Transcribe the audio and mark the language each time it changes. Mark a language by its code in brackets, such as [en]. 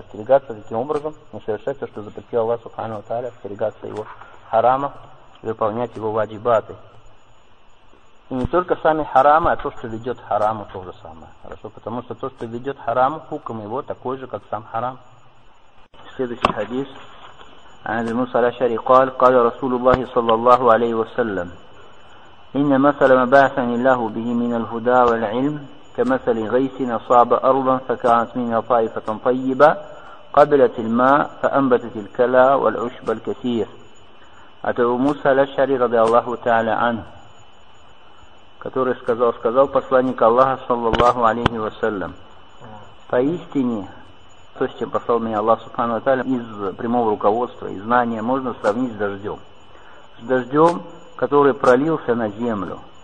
[ru] Остерегаться таким образом, не совершать то, что запретил Аллах Субхану ва Тааля, остерегаться его харамов и выполнять его ваджибаты. И не только сами харамы, а то, что ведет хараму, то же самое. Хорошо, потому что то, что ведет хараму, хукм его такой же, как сам харам. Следующий хадис. [ar] عن ابن موسى الأشعري قال قال رسول الله صلى الله عليه وسلم إن مثل ما بعثني الله به من الهدى والعلم كمثل غيث أصاب أرضا فكانت منها طائفة طيبة قبلت الماء فأنبتت الكلى والعشب الكثير. [ru] عن ابن موسى الأشعري [ar] رضي الله تعالى عنه, [ru] который сказал, сказал посланник Аллаха, саллаллаху алейхи вассалям, поистине, то, с чем послал меня Аллах, субхану ва тааля, из прямого руководства, из знания, можно сравнить с дождем, который пролился на землю.